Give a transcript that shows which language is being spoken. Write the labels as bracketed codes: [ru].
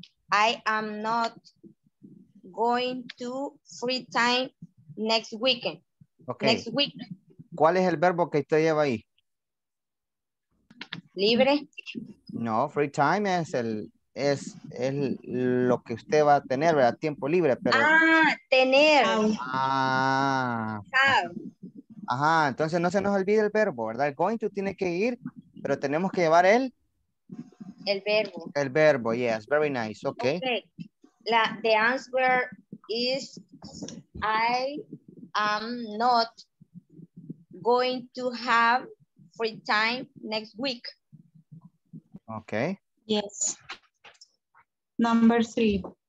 [en] I am not going to free time next weekend. Okay. Next week. [es] ¿Cuál es el verbo que usted lleva ahí? Libre. No, free time es lo que usted va a tener, ¿verdad? Tiempo libre, pero. Ah, tener. Ah. Ajá. Entonces no se nos olvide el verbo, ¿verdad? El going to tiene que ir, pero tenemos que llevar el verbo, [en] yes, very nice. Okay. The answer is I am not going to have free time next week. Okay. Yes. Number three.